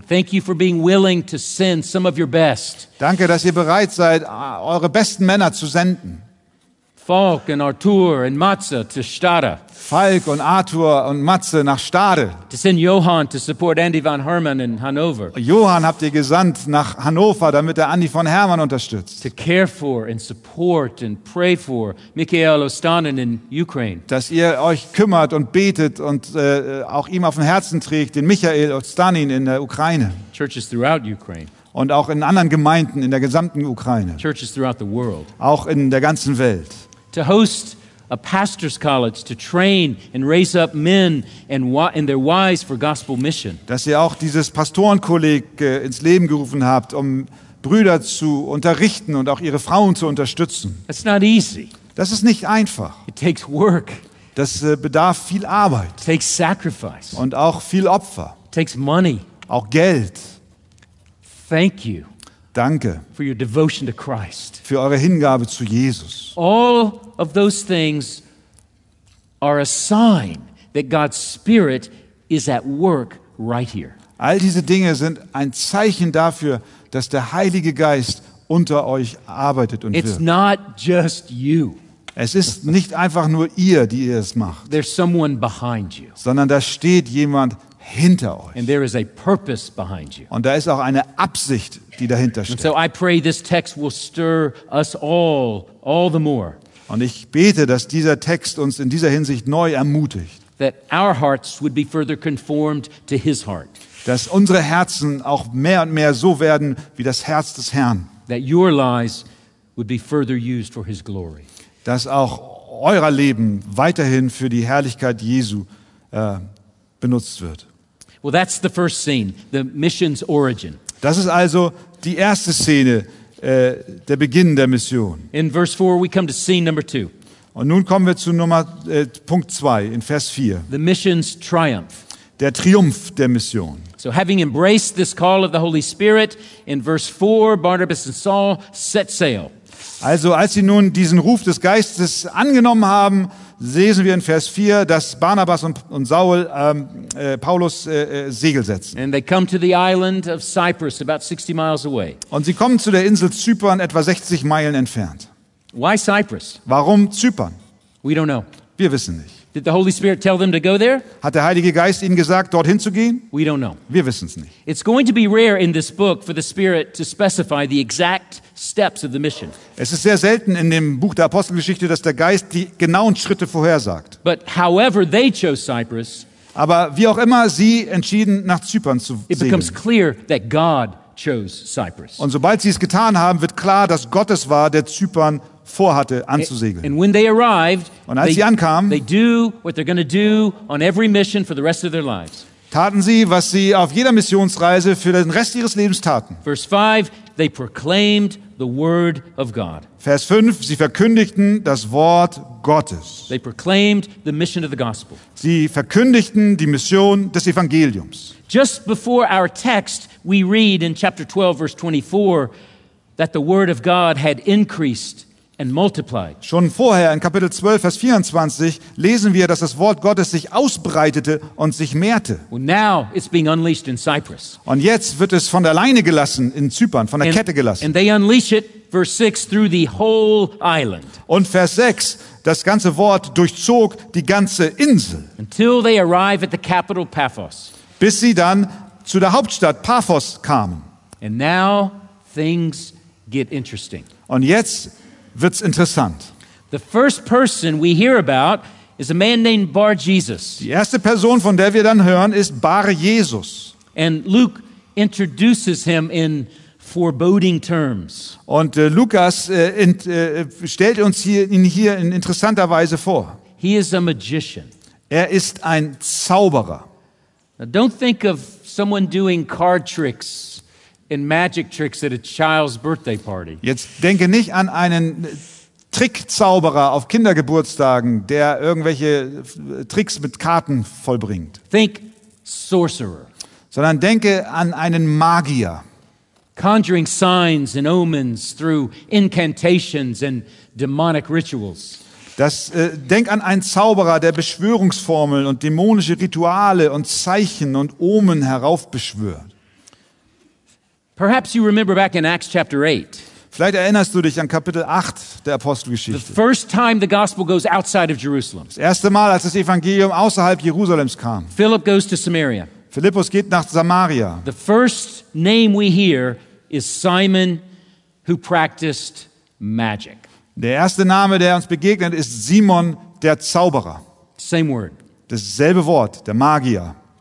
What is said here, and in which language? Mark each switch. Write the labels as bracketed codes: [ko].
[en] Thank you for being willing to send some of your best. [de] Danke, dass ihr bereit seid, eure besten Männer zu senden. [en] Falk and Arthur and Matze to Stade. [de] Falk und Arthur und Matze nach Stade. [en] To send Johann to support Andy von Hermann in Hannover. [de] Johann habt ihr gesandt nach Hannover, damit er Andy von Hermann unterstützt. [en] To care for and support and pray for Michael Ostanen in Ukraine. [de] Dass ihr euch kümmert und betet und auch ihm auf dem Herzen trägt, den Michael Ostanen in der Ukraine. [en] Churches throughout Ukraine. [de] Und auch in anderen Gemeinden in der gesamten Ukraine. [en] Churches throughout the world. [de] Auch in der ganzen Welt. [en] To host a pastor's college to train and raise up men and their wives for gospel mission. [de] Dass ihr auch dieses Pastorenkolleg ins Leben gerufen habt, um Brüder zu unterrichten und auch ihre Frauen zu unterstützen. [en] That's not easy. [de] Das ist nicht einfach. [en] It takes work. [de] Das bedarf viel Arbeit. [en] It takes sacrifice. [de] Und auch viel Opfer. [en] It takes money. [de] Auch Geld. [en] Thank you. [de] Danke. [en] For your devotion to Christ. [de] Für eure Hingabe zu Jesus. [en] All of those things are a sign that God's Spirit is at work right here. [de] All diese Dinge sind ein Zeichen dafür, dass der Heilige Geist unter euch arbeitet und [en] It's [de] wird. [en] It's not just you. [de] Es ist nicht einfach nur ihr, die ihr es macht. [en] There's someone behind you. [de] Sondern da steht jemand hinter euch. [en] And there is a purpose behind you. [de] Und da ist auch eine Absicht, die dahinter steht. [en] And so I pray this text will stir us all the more. [de] Und ich bete, dass dieser Text uns in dieser Hinsicht neu ermutigt. [en] That our hearts would be further conformed to his heart. [de] Dass unsere Herzen auch mehr und mehr so werden wie das Herz des Herrn. [en] That your lives would be further used for his glory. [de] Dass auch euer Leben weiterhin für die Herrlichkeit Jesu benutzt wird. [en] Well, that's the first scene, the mission's origin. [de] Das ist also die erste Szene, der Beginn der Mission. [en] In verse 4 we come to scene number 2. [de] Und nun kommen wir zu Punkt 2 in Vers 4. [en] The mission's triumph. [de] Der Triumph der Mission. [en] So having embraced this call of the Holy Spirit, in verse 4 Barnabas and Saul set sail. [de] Also als sie nun diesen Ruf des Geistes angenommen haben, lesen wir in Vers 4, dass Barnabas und Saul Paulus Segel setzen. [en] And they come to the island of Cyprus, about 60 miles away. [de] Und sie kommen zu der Insel Zypern, etwa 60 Meilen entfernt. [en] Why Cyprus? [de] Warum Zypern? [en] We don't know. [de] Wir wissen nicht. [en] Did the Holy Spirit tell them to go there? [de] Hat der Heilige Geist ihnen gesagt, dorthin zu gehen? [en] We don't know. [de] Wir wissen es nicht. [en] It's going to be rare in this book for the Spirit to specify the exact steps of the mission. [de] Es ist sehr selten in dem Buch der Apostelgeschichte, dass der Geist die genauen Schritte vorhersagt. [en] But however they chose Cyprus, [de] aber wie auch immer sie entschieden nach Zypern zu segeln. [en] It becomes clear that God chose Cyprus. [de] Und sobald sie es getan haben, wird klar, dass Gott es war, der Zypern vorhatte anzusegeln. [en] And when they arrived, [de] und als sie ankamen, [en] they do what they're going to do on every mission for the rest of their lives. [de] Taten sie, was sie auf jeder Missionsreise für den Rest ihres Lebens taten. [en] Verse 5, they proclaimed the word of God. [de] Vers 5, sie verkündigten das Wort Gottes. [en] They proclaimed the mission of the gospel. [de] Sie verkündigten die Mission des Evangeliums. [en] Just before our text, we read in chapter 12, verse 24, that the word of God had increased and multiplied. [de] Schon vorher in Kapitel 12, Vers 24 lesen wir, dass das Wort Gottes sich ausbreitete und sich mehrte. [en] Well, now it's being unleashed in Cyprus. [de] Und jetzt wird es von der Leine gelassen in Zypern, von der Kette gelassen. [en] And they unleash it, verse 6, through the whole island. [de] Und Vers 6, das ganze Wort durchzog die ganze Insel. [en] Until they arrive at the capital Paphos. [de] Bis sie dann zu der Hauptstadt Paphos kamen. [en] And now things get interesting. [de] Und jetzt wird's interessant. [en] The first person we hear about is a man named Bar-Jesus. [de] Die erste Person, von der wir dann hören, ist Bar-Jesus. [en] And Luke introduces him in foreboding terms. [de] Und Lukas stellt uns ihn hier in interessanter Weise vor. [en] He is a magician. [de] Er ist ein Zauberer. [en] Now don't think of someone doing card tricks in magic tricks at a child's birthday party. [de] Jetzt denke nicht an einen Trickzauberer auf Kindergeburtstagen, der irgendwelche Tricks mit Karten vollbringt. [en] Think sorcerer. [de] Sondern denke an einen Magier. [en] Conjuring signs and omens through incantations and demonic rituals. [de] Denk an einen Zauberer, der Beschwörungsformeln und dämonische Rituale und Zeichen und Omen heraufbeschwört. [en] Perhaps you remember back in Acts chapter 8. [de] Vielleicht erinnerst du dich an Kapitel 8 der Apostelgeschichte. [en] The first time the gospel goes outside of Jerusalem. [de] Das erste Mal, als das Evangelium außerhalb Jerusalems kam. [en] Philip goes to Samaria. [de] Philippus geht nach Samaria. [en] The first name we hear is Simon, who practiced magic. [de] Der erste Name, der uns begegnet, ist Simon der Zauberer. [en] Same word. [de] Dasselbe Wort, der Magier.